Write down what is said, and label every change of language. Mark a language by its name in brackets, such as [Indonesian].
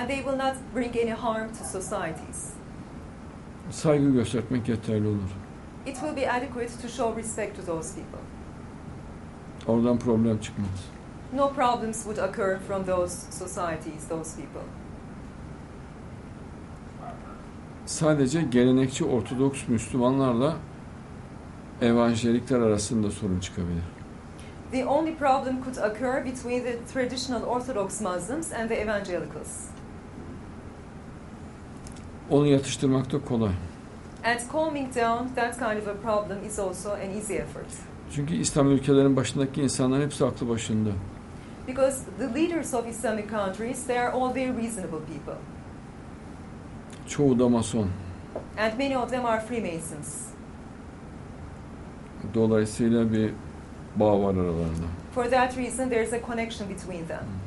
[English] And they will not bring any harm to societies. [Turkish] Saygı göstermek yeterli olur. [English] It will be adequate to show respect to those people. [Turkish] Oradan problem çıkmaz. [English] No problems would occur from those societies, those people. [Turkish] Sadece gelenekçi Ortodoks Müslümanlarla evanjelikler arasında sorun çıkabilir. [English] The only problem could occur between the traditional Orthodox Muslims and the evangelicals. [Turkish] Onu yatıştırmak da kolay. [English] And calming down that kind of a problem is also an easy effort. [Turkish] Çünkü İslam ülkelerinin başındaki insanlar hepsi aklı başında. [English] Because the leaders of Islamic countries, they are all very reasonable people. [Turkish] Çoğu da Mason. [English] And many of them are Freemasons. [Turkish] Dolayısıyla bir bağ var aralarında. [English] For that reason, there is a connection between them.